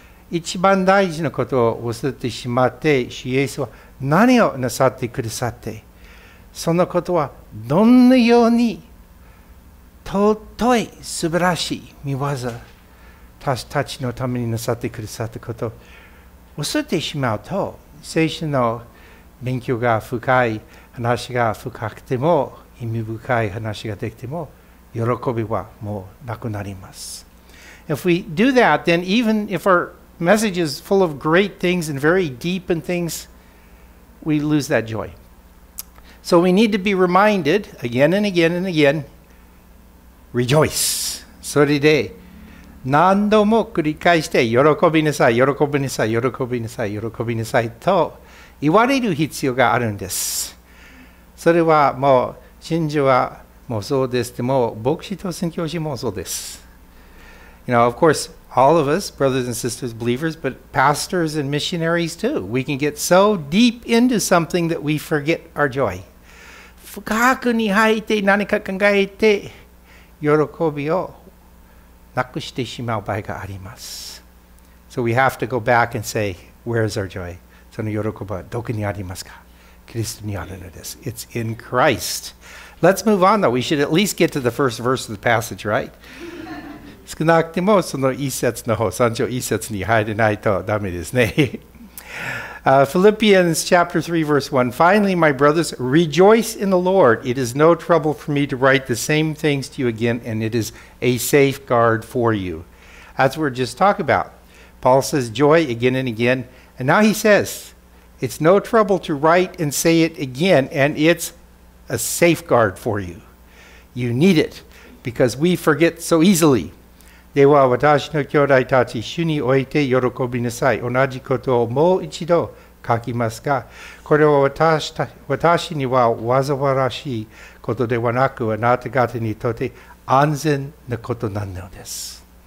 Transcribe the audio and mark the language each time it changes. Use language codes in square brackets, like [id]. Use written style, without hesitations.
[ja] 一番大事なことを忘れてしまって、主イエスは何をなさってくださって、そのことはどんなように尊い素晴らしい御業私たちのためになさってくださったことを忘れてしまうと、聖書の勉強が深い話が深くても意味深い話ができても喜びはもうなくなります。 [en] If we do that, then even if our message is full of great things and very deep in things, we lose that joy. So we need to be reminded again and again and again, rejoice. [ja] それで何度も繰り返して喜びなさい、喜びなさい、喜びなさい、喜びなさいと言われる必要があるんです。それはもう信者はもうそうです。でも牧師と宣教師もそうです。 [en] You know, of course, all of us, brothers and sisters, believers, but pastors and missionaries too. We can get so deep into something that we forget our joy. [ja] 深くに入って何か考えて喜びをなくしてしまう場合があります。 [en] So we have to go back and say, where is our joy? [ja] その喜びはどこにありますか?キリストにあるのです。 [en] It's in Christ. Let's move on though. We should at least get to the first verse of the passage, right? [ja] 少なくともその一節の方、三章一節に入れないとダメですね。 [en] Philippians chapter 3 verse 1. Finally, my brothers, rejoice in the Lord. It is no trouble for me to write the same things to you again, and it is a safeguard for you. As we're just talking about, Paul says joy again and again, and now he says,It's no trouble to write and say it again, and it's a safeguard for you. You need it, because we forget so easily. [ja] では私の兄弟たち、主において喜びなさい。同じことをもう一度書きますが、これは 私にはわざわらしいことではなく、あなた方にとって安全なことなのです。